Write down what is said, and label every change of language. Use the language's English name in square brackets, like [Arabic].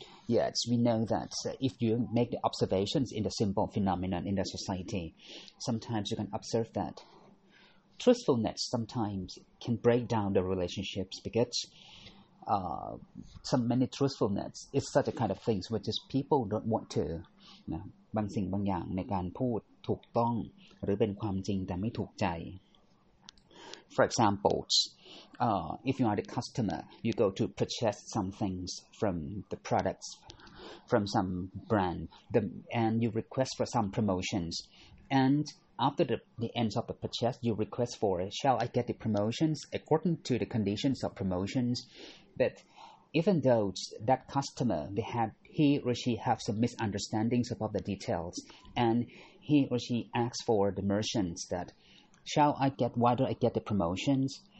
[English] Yes, we know that if you make the observations in the simple phenomenon in the society, sometimes you can observe that truthfulness sometimes can break down the relationships because many truthfulness is such a kind of things which is people don't want to, you know. [Thai] บางสิ่งบางอย่างในการพูดถูกต้องหรือเป็นความจริงแต่ไม่ถูกใจ [English] For example, if you are the customer, you go to purchase some things from the products from some brand, and you request for some promotions. And after the end of the purchase, you request for, shall I get the promotions according to the conditions of promotions? But even though that customer, they have,he or she have some misunderstandings about the details, and he or she asks for the merchants that, why don't I get the promotions?